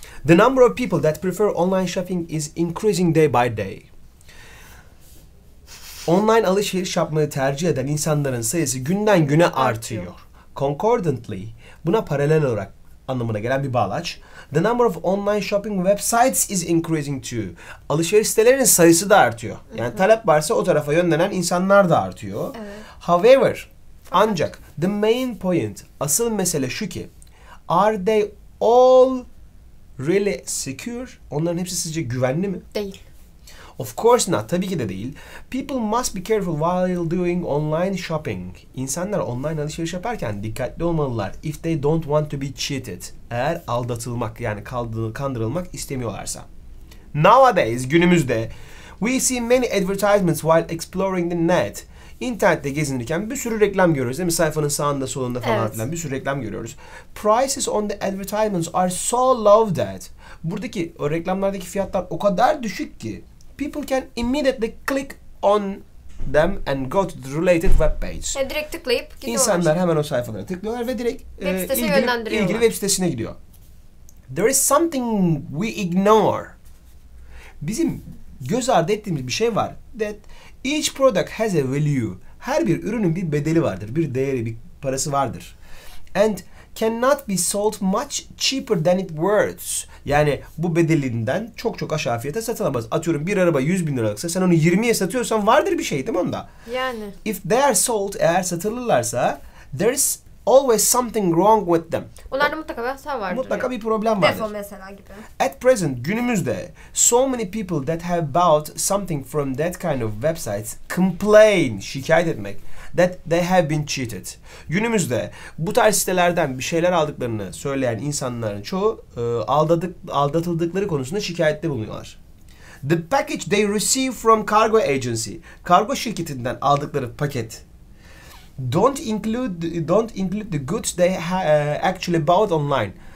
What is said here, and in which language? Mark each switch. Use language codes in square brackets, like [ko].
[en] The number of people that prefer online shopping is increasing day by day. [tr] Online alışveriş yapmayı tercih eden insanların sayısı günden güne artıyor. Concordantly, buna paralel olarak anlamına gelen bir bağlaç. [en] The number of online shopping websites is increasing too. [tr] Alışveriş sitelerinin sayısı da artıyor. Yani talep varsa o tarafa yönlenen insanlar da artıyor. Evet. [en] However, [tr] ancak [en] the main point, [tr] asıl mesele şu ki, [en] are they all really secure? [tr] Onların hepsi sizce güvenli mi? Değil. [en] Of course not. [tr] Tabii ki de değil. [en] People must be careful while doing online shopping. [tr] İnsanlar online alışveriş yaparken dikkatli olmalılar. [en] If they don't want to be cheated. [tr] Eğer aldatılmak, yani kandırılmak istemiyorlarsa. [en] Nowadays, [tr] günümüzde, [en] we see many advertisements while exploring the net. [tr] İnternette gezinirken bir sürü reklam görüyoruz değil mi? Sayfanın sağında, solunda falan, evet, filan bir sürü reklam görüyoruz. [en] Prices on the advertisements are so low that. [tr] Buradaki o reklamlardaki fiyatlar o kadar düşük ki. [en] People can immediately click on them and go to the related web page. [tr] Yani direkt tıklayıp gidiyorlar. İnsanlar hemen o sayfalara tıklıyorlar ve direkt ilgili web sitesine gidiyor. [en] There is something we ignore. [tr] Bizim göz ardı ettiğimiz bir şey var. [en] That each product has a value. [tr] Her bir ürünün bir bedeli vardır, bir değeri, bir parası vardır. [en] And cannot be sold much cheaper than it worth. [tr] Yani bu bedelinden çok çok aşağı fiyata satılamaz. Atıyorum bir araba 100 bin liralıksa sen onu 20'ye satıyorsan vardır bir şey değil mi onda? Yani. [en] If they are sold, [tr] eğer satılırlarsa, [en] there is always something wrong with them. [tr] Onlarda mutlaka bir hata vardır. Mutlaka bir problem vardır. Defo mesela gibi. [en] At present, [tr] günümüzde [en] so many people that have bought something from that kind of websites complain, [tr] şikayet etmek. [en] That they have been cheated. [tr] Günümüzde bu tarz sitelerden bir şeyler aldıklarını söyleyen insanların çoğu aldatıldıkları konusunda şikayette bulunuyorlar. [en] The package they receive from cargo agency, [tr] kargo şirketinden aldıkları paket, [en] don't include the goods they actually bought online.